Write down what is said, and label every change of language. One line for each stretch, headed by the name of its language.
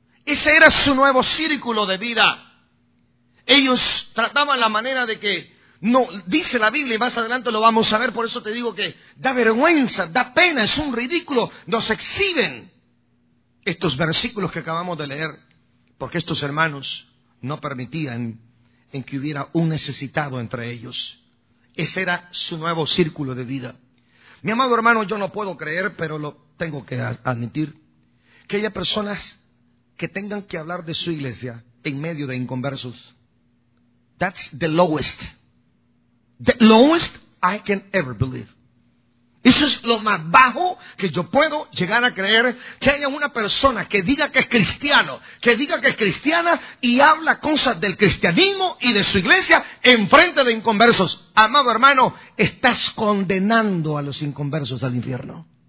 Spanish: Ese era su nuevo círculo de vida. Ellos trataban la manera de que, no, dice la Biblia, y más adelante lo vamos a ver, por eso te digo que da vergüenza, da pena, es un ridículo, nos exhiben estos versículos que acabamos de leer, porque estos hermanos no permitían en que hubiera un necesitado entre ellos. Ese era su nuevo círculo de vida. Mi amado hermano, yo no puedo creer, pero lo tengo que admitir, que haya personas que tengan que hablar de su iglesia en medio de inconversos.
English: That's the lowest. The lowest I can ever believe.
Spanish: Eso es lo más bajo que yo puedo llegar a creer, que haya una persona que diga que es cristiano, que diga que es cristiana y habla cosas del cristianismo y de su iglesia en frente de inconversos. Amado hermano, estás condenando a los inconversos al infierno.